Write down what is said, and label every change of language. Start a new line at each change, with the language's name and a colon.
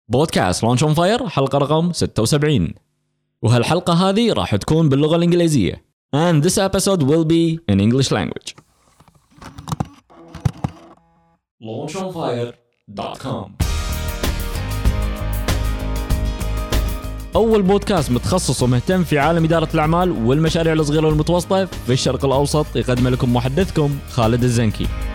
Arabic: بودكاست لونش اون فاير حلقة رقم 76 وهالحلقة هذه راح تكون باللغة الإنجليزية.
English: And this episode will be in English language.
Arabic: launchonfire.com أول بودكاست متخصص ومهتم في عالم إدارة الأعمال والمشاريع الصغيرة والمتوسطة في الشرق الأوسط، يقدم لكم محدثكم خالد الزنكي.